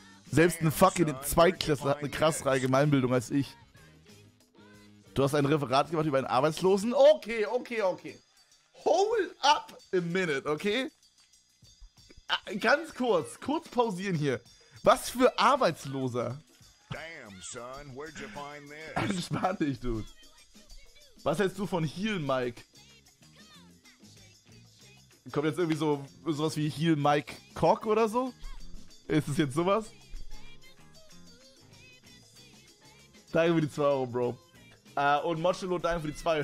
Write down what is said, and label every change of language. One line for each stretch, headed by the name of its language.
German: Selbst ein fucking Zweitklässler hat eine krassere Allgemeinbildung als ich. Du hast ein Referat gemacht über einen Arbeitslosen? Okay.
English: Hold up a minute, okay?
German: Ganz kurz pausieren hier. Was für Arbeitsloser?
English: Damn, son, where'd you find this?
German: Entspann dich, Dude. Was hältst du von Heal Mike? Kommt jetzt irgendwie sowas wie Heal Mike Cock oder so? Ist es jetzt sowas? Danke für die 2 Euro, Bro. Und Mochelo, danke für die 2.